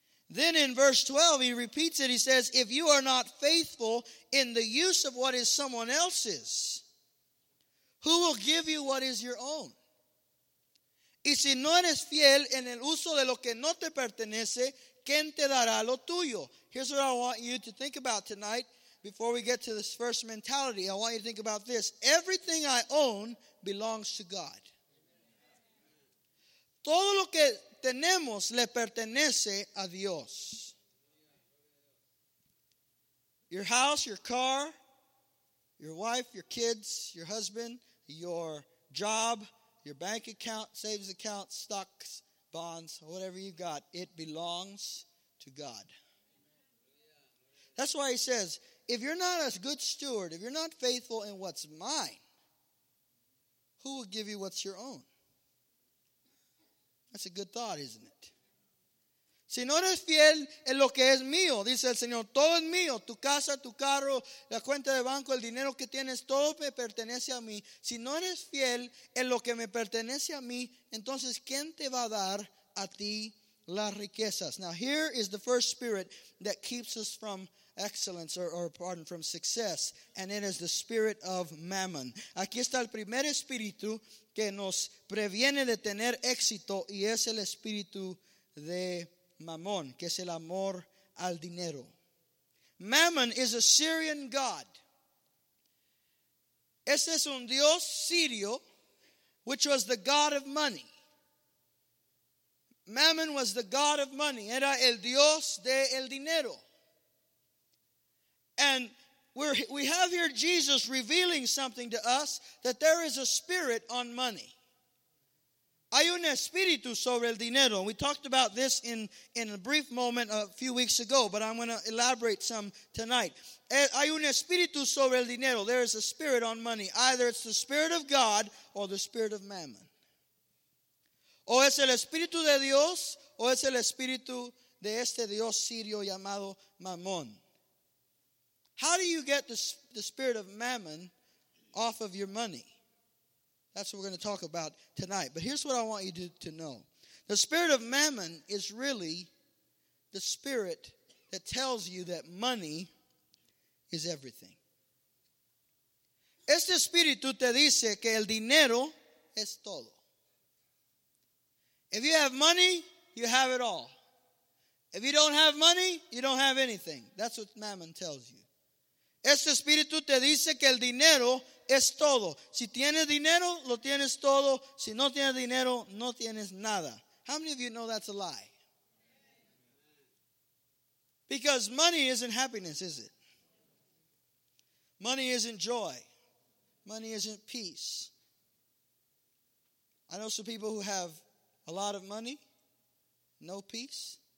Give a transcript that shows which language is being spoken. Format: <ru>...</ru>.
<en>Then in verse 12, he repeats it. He says, if you are not faithful in the use of what is someone else's, who will give you what is your own?</en> <es>Y si no eres fiel en el uso de lo que no te pertenece, ¿quién te dará lo tuyo?</es> <en>Here's what I want you to think about tonight before we get to this first mentality. I want you to think about this. Everything I own belongs to God.</en> <es>Todo lo que tenemos le pertenece a Dios.</es> <en>Your house, your car, your wife, your kids, your husband, your job, your bank account, savings account, stocks, bonds, whatever you got, it belongs to God. That's why he says, if you're not a good steward, if you're not faithful in what's mine, who will give you what's your own? That's a good thought, isn't it?</en> <es>Si no eres fiel en lo que es mío, dice el Señor, todo es mío, tu casa, tu carro, la cuenta de banco, el dinero que tienes, todo me pertenece a mí. Si no eres fiel en lo que me pertenece a mí, entonces, ¿quién te va a dar a ti las riquezas?</es> <en>Now, here is the first spirit that keeps us from excellence, or pardon, from success, and it is the spirit of mammon.</en> <es>Aquí está el primer espíritu que nos previene de tener éxito, y es el espíritu de mammon, que es el amor al dinero.</es> <en>Mammon is a Syrian god.</en> <es>Este es un dios sirio,</es> <en>which was the god of money. Mammon was the god of money.</en> <es>Era el dios de el dinero.</es> <en>And we have here Jesus revealing something to us, that there is a spirit on money.</en> <es>Hay un espíritu sobre el dinero.</es> <en>We talked about this in a brief moment a few weeks ago, but I'm going to elaborate some tonight.</en> <es>Hay un espíritu sobre el dinero.</es> <en>There is a spirit on money. Either it's the spirit of God or the spirit of mammon.</en> <es>O es el espíritu de Dios o es el espíritu de este Dios sirio llamado mammon.</es> <en>How do you get the spirit of mammon off of your money? That's what we're going to talk about tonight. But here's what I want you to know. The spirit of mammon is really the spirit that tells you that money is everything.</en> <es>Este espíritu te dice que el dinero es todo.</es> <en>If you have money, you have it all. If you don't have money, you don't have anything. That's what mammon tells you.</en> <es>Este espíritu te dice que el dinero es todo. Si tienes dinero, lo tienes todo. Si no tienes dinero, no tienes nada.</es> <en>How many of you know that's a lie? Because money isn't happiness, is it? Money isn't joy. Money isn't peace. I know some people who have a lot of money, no peace.</en>